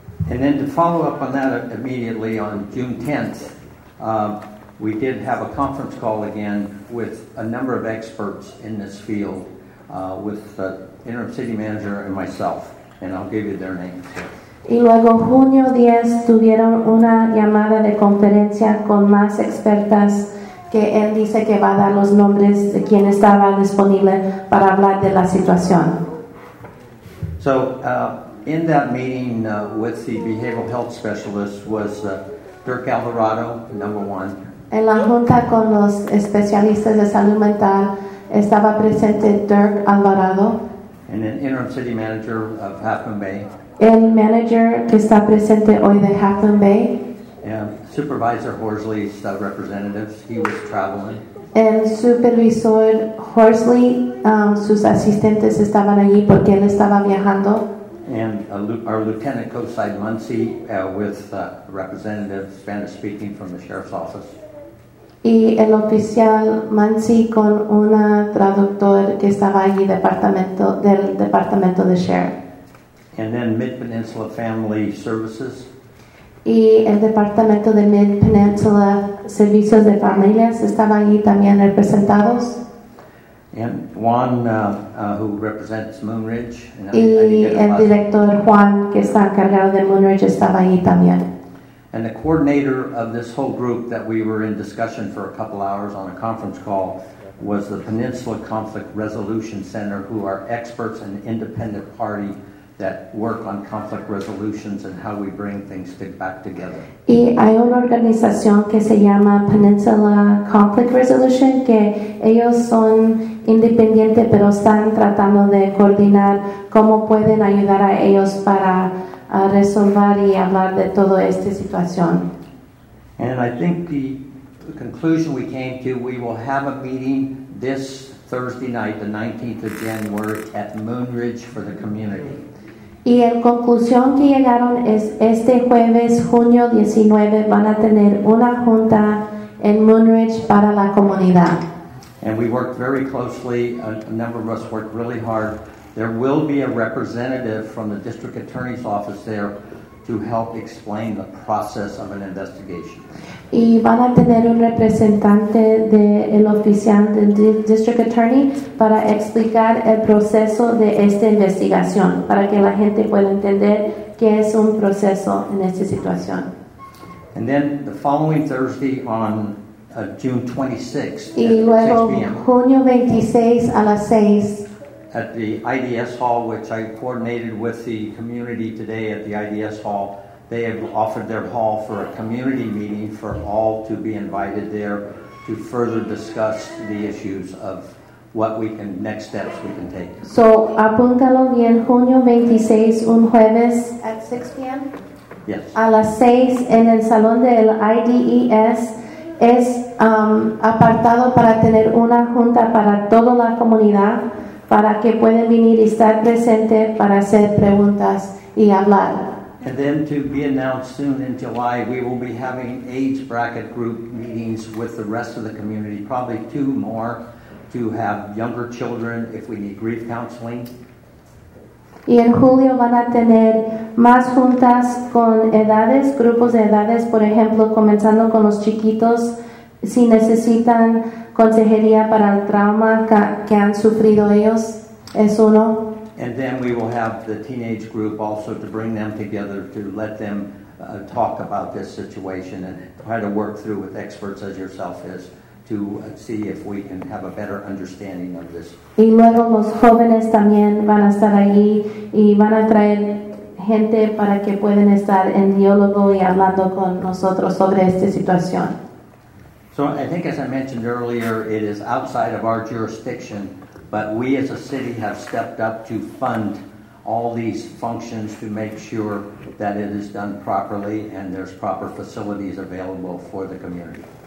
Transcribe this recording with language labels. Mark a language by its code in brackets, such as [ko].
[en] And then to follow up on that immediately on June 10th, we did have a conference call again with a number of experts in this field, with the interim city manager and myself, and I'll give you their names here. [es] Y luego junio 10 tuvieron una llamada de conferencia con más expertas que él dice que va a dar los nombres de quien estaba disponible para hablar de la situación. [en] So in that meeting with the behavioral health specialist was Dirk Alvarado, number one. [es] En la junta con los especialistas de salud mental estaba presente Dirk Alvarado. [en] and an interim city manager of Half Moon Bay. [es] El manager que está presente hoy de Half Moon Bay. [en] And Supervisor Horsley's representatives, he was traveling. [es] El supervisor Horsley, sus asistentes estaban allí porque él estaba viajando. [en] And our Lieutenant Coastside Muncy with representative Spanish speaking from the Sheriff's Office. [es] Y el oficial Muncy con una traductor que estaba allí del departamento de Sheriff. [en] And then Mid Peninsula Family Services. [es] Y el departamento de Mid Peninsula Servicios de Familias estaban allí también representados. [en] And Juan, who represents Moon Ridge. [es] Y el director Juan, que está encargado de Moon Ridge, estaba allí también. [en] And the coordinator of this whole group that we were in discussion for a couple hours on a conference call was the Peninsula Conflict Resolution Center, who are experts and independent party that work on conflict resolutions and how we bring things back together. [es] Y hay una organización que se llama Peninsula Conflict Resolution, que ellos son independientes, pero están tratando de coordinar cómo pueden ayudar a ellos para a resolver y hablar de toda esta situación. [en] And I think the conclusion we came to, we will have a meeting this Thursday night, the 19th of January, at Moon Ridge for the community. [es] Y en conclusión que llegaron es este jueves, junio 19, van a tener una junta en Moon Ridge para la comunidad. [en] And we worked very closely, a number of us worked really hard. There will be a representative from the district attorney's office there to help explain the process of an investigation. [es] Y van a tener un representante del oficial del district attorney para explicar el proceso de esta investigación, para que la gente pueda entender qué es un proceso en esta situación. [en] And then the following Thursday on June 26th at 6 p.m. [es] Y luego junio 26 a las 6 [en] at the IDS Hall, which I coordinated with the community today at the IDS Hall, they have offered their hall for a community meeting for all to be invited there to further discuss the issues of what we can, next steps we can take. [es] So, apúntalo bien, junio 26, un jueves. [en] At 6 p.m.? Yes. [es] A las 6 en el salón del IDES. Es apartado para tener una junta para toda la comunidad, para que puedan venir y estar presente para hacer preguntas y hablar. [en] And then to be announced soon in July, we will be having age bracket group meetings with the rest of the community, probably two more, to have younger children if we need grief counseling. [es] Y en julio van a tener más juntas con edades, grupos de edades, por ejemplo, comenzando con los chiquitos, si necesitan consejería para el trauma que han sufrido ellos, es uno. [en] And then we will have the teenage group also to bring them together to let them talk about this situation and try to work through with experts as yourself is to see if we can have a better understanding of this. [es] Y luego los jóvenes también van a estar ahí y van a traer gente para que puedan estar en diálogo y hablando con nosotros sobre esta situación. [en] So I think, as I mentioned earlier, it is outside of our jurisdiction, but we as a city have stepped up to fund all these functions to make sure that it is done properly and there's proper facilities available for the community.